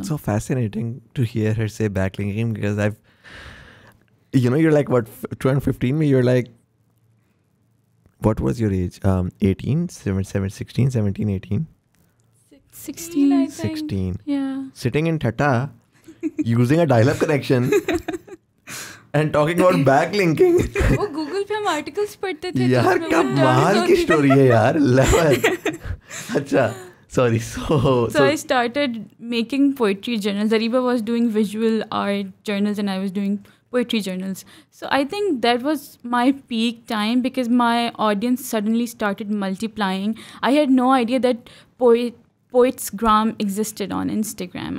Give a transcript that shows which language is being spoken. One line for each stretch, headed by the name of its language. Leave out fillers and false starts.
English: It's so fascinating to hear her say backlinking, because I've, you know, you're like, what, 215 me? You're like, what was your age? 18, 7, 7, 16, 17, 18? 16, I think. Sitting in Tata, using a dial-up connection. And talking about backlinking.
Hindi: Oh, Google पे हम articles पढ़ते थे. यार कमाल की story है यार.
English: Level. अच्छा. Sorry. So I started making poetry journals. Areeba was doing visual art journals and I was doing poetry journals. So I think that was my peak time, because my audience suddenly started multiplying. I had no idea that Poetsgram existed on Instagram.